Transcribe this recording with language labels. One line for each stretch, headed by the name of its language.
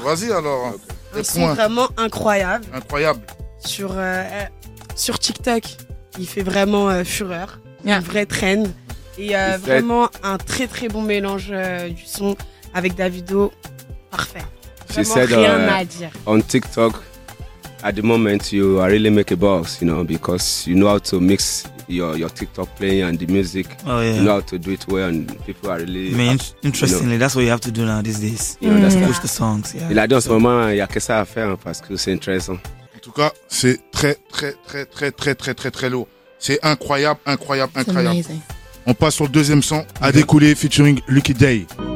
French: Vas-y alors. Un son vraiment incroyable. Incroyable. Sur TikTok, il fait vraiment fureur, un vrai trend. Et vraiment un très très bon mélange du son avec Davido, parfait. À dire.
English: On TikTok, at the moment, you are really make a boss, you know, because you know how to mix your TikTok playing and the music. Oh, yeah. You know how to do it well, and people are really. Interestingly, you know, that's what you have to do now these days. You know, push the songs.
French: Il a dit en ce moment, il y a que ça à faire parce que c'est intéressant. En tout cas, c'est très, très, très, très, très, très, très, très lourd. C'est incroyable, incroyable, incroyable.
English: It's amazing.
French: On passe sur le deuxième son, à découler, featuring Lucky Day.